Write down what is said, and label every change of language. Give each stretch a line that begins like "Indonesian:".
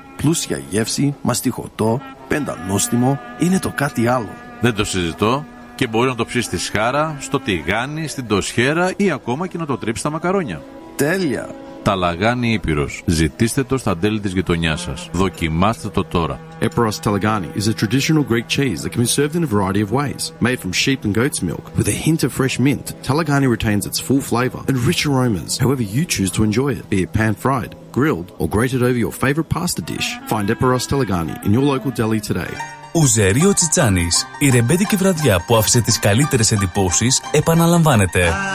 Greek: Πλούσια γεύση, μαστιχωτό, πεντανόστιμο, είναι το κάτι άλλο. Δεν το συζητώ και μπορεί να το ψήσεις στη σχάρα, στο τηγάνι, στην τοσχέρα ή ακόμα και να το τρύψεις στα μακαρόνια. Τέλεια! Ταλαγάνι Ήπειρος. Ζητήστε το στα τέλη της γειτονιάς σας. Δοκιμάστε το τώρα.
English: Epiros Talagani is a traditional Greek cheese that can be served in a variety of ways. Made from sheep and goat's milk with a hint of fresh mint, Talagani retains its full flavor and rich aromas, however you choose to enjoy it, be it pan-fried, grilled, or grated over your favorite pasta dish. Find Epiros Talagani in your local deli today.
Greek: Ουζέριο Τσιτσάνης. Η ρεμπέτικη βραδιά που άφησε τις καλύτερες εντυπώσεις επαναλαμβάνεται.